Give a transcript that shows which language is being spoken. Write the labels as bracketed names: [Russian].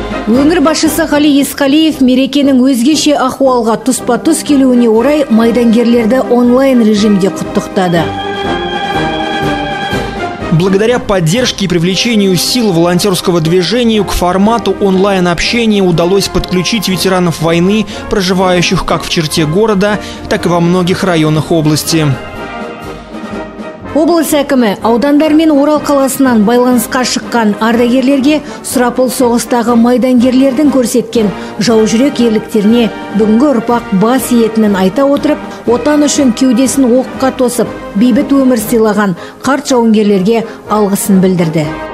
[Kazakh] Өңір башысы Қали Есқалиев мерекенің өзгеше ахуалға тұспа-тұс келуіне орай майдангерлерді онлайн режимде құттықтады. [Russian] Благодаря поддержке и привлечению сил волонтерского движения к формату онлайн-общения удалось подключить ветеранов войны, проживающих как в черте города, так и во многих районах области. [Kazakh] Облыс әкімі аудандар мен Орал қаласынан байланысқа шыққан ардагерлерге Сұрапыл соғыстағы майдангерлердің көрсеткен жау жүрек ерліктеріне бүгінгі ұрпақ бас иетінін айта отырып, отан үшін кеудесін оққа тосып, бейбіт өмір сыйлаған қарт жауынгерлерге алғысын білдірді.